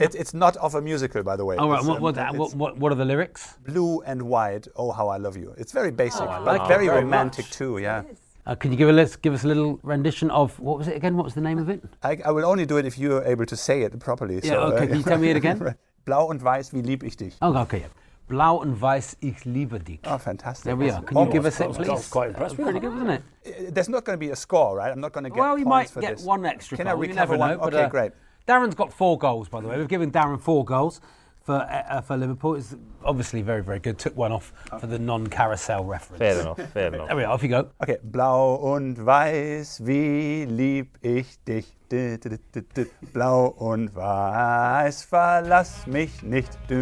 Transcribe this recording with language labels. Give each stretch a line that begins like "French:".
English: It's not of a musical, by the way. Oh, right. What are the lyrics? Blue and white, oh how I love you. It's very basic, but very romantic much. Too. Yeah. Can you give us a little rendition of, what was it again? What was the name of it? I will only do it if you're able to say it properly. Yeah, so, okay. Can you tell me it again?
German: Blau und Weiß, wie lieb ich dich.
English: Oh, okay, yeah.
German: Blau und Weiß, ich liebe dich.
English: Oh, fantastic. There we are. Can you give us it, please? I was quite impressed with it. Pretty good, wasn't it? There's not going to be a score, right? I'm not going to get points for this. Well, you might get one extra goal. Can I recover one? Okay, great. Darren's got 4 goals, by the way. We've given Darren 4 goals for Liverpool. It's obviously very, very good. Took one off for the non-carousel reference. Fair enough. There we are. Off you go. Okay.
German: Blau und Weiß, wie lieb ich dich. Blau und Weiß, verlass mich nicht.